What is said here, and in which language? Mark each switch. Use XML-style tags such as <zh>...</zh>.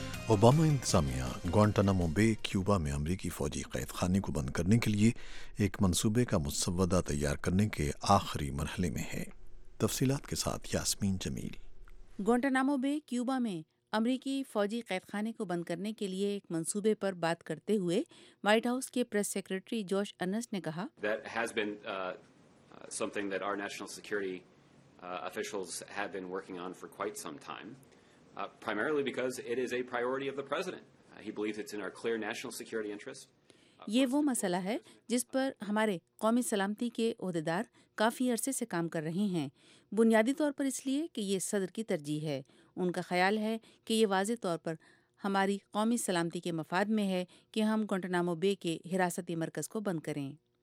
<hi>Obama इंतजामिया ग्वांटानामो बे Cuba में अमरीकी फौजी कैद खाने को बंद करने के लिए एक मंसूबे का मुसवदा तैयार करने के आखिरी मरहले में है। तफसीलात के साथ यास्मीन जमील। ग्वांटानामो बे क्यूबा में अमरीकी फौजी कैद खाने को बंद करने के लिए एक मंसूबे पर बात करते हुए व्हाइट हाउस के प्रेस सेक्रेटरी जॉश अर्नस्ट ने कहा,</hi> <en>That has been something that our national security officials have been working on for quite some time. Primarily because it is a priority of the president. He believes it's in our clear national security interest.</en> <hi>ये वो मसला है जिस पर हमारे कौमी सलामती के ओहदेदार काफी अरसे से काम कर रहे हैं, बुनियादी तौर पर इसलिए कि ये सदर की तरजीह है। उनका ख्याल है कि ये वाज़े तौर पर हमारी कौमी सलामती के मफाद में है कि हम ग्वांटानामो बे के हिरासती मरकज़ को बंद करें।</hi>